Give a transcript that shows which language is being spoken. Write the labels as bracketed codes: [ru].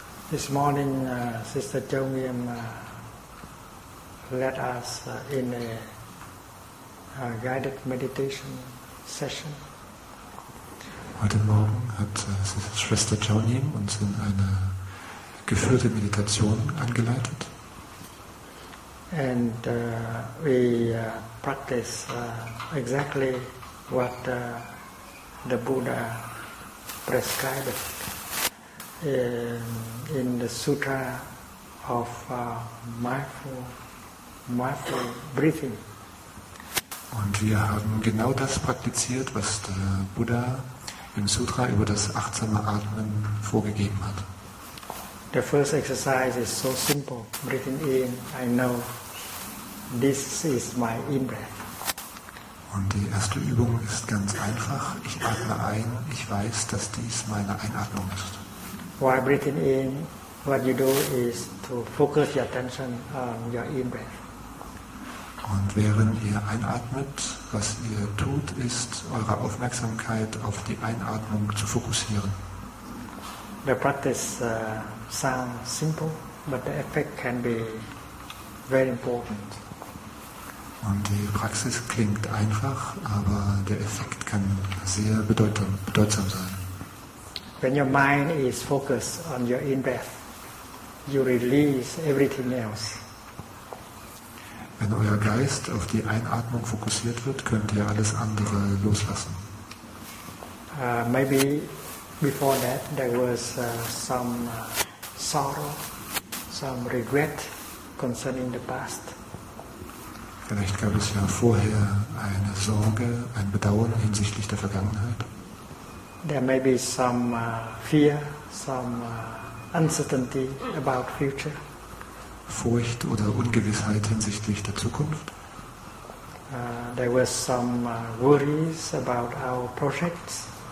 [en] This morning, Sister Chongyam led us in a guided meditation session. [de] Heute Morgen hat Schwester Chongyam uns in eine geführte Meditation angeleitet. [en] And we practice exactly what the Buddha prescribed in the Sutra of mindful breathing. [de] Und wir haben genau das praktiziert, was der Buddha im Sutra über das achtsame Atmen vorgegeben hat. [en] The first exercise is so simple, breathing in, I know this is my in-breath. [de] Und die erste Übung ist ganz einfach, ich atme ein, ich weiß, dass dies meine Einatmung ist. [en] While breathing in, what you do is to focus your attention on your in-breath. [de] Und während ihr einatmet, was ihr tut, ist, eure Aufmerksamkeit auf die Einatmung zu fokussieren. [en] The practice sounds simple, but the effect can be very important. [de] Und die Praxis klingt einfach, aber der Effekt kann sehr bedeutsam sein. [en] When your mind is focused on your in-breath, you release everything else. [de] Wenn euer Geist auf die Einatmung fokussiert wird, könnt ihr alles andere loslassen. [en] Maybe before that there was some sorrow, some regret concerning the past. [de] Vielleicht gab es ja vorher eine Sorge, ein Bedauern hinsichtlich der Vergangenheit. [en] There may be some fear, some uncertainty about future. [de] Furcht oder Ungewissheit hinsichtlich der Zukunft. [en] There were some worries about our projects.